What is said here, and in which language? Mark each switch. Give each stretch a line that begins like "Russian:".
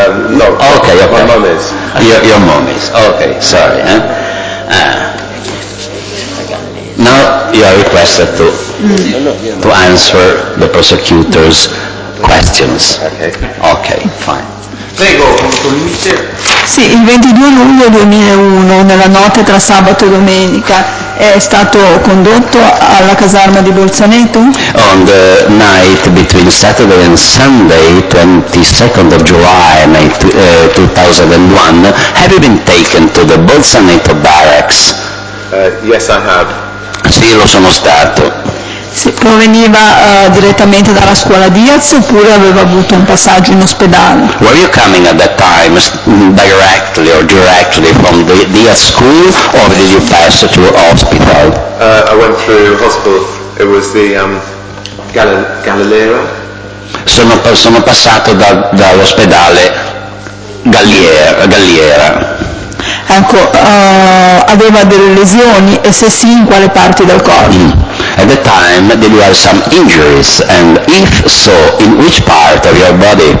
English: No. Okay, okay. My mom is. Your mom is. Okay, sorry. Now you are requested to to answer the prosecutor's questions. Okay, fine.
Italian: Prego, con il mister. Sì, il 22 luglio 2001, nella notte tra sabato e domenica, è stato condotto alla caserma di Bolzaneto?
English: On the night between Saturday and Sunday, 22nd of July, 2001, have you been taken to the Bolzaneto barracks? Yes, I have.
Italian: Sì, lo sono stato. Sì, proveniva direttamente dalla scuola Diaz oppure aveva avuto un passaggio in ospedale?
English: Were you coming at that time directly or directly from the Diaz school or did you pass through hospital? I went through hospital. It was the Galileo.
Italian: Sono passato dall'ospedale Galliera. Ecco, aveva delle lesioni e se sì, in quale parte del corpo?
English: At the time, did you have some injuries, and if so, in which part of your body?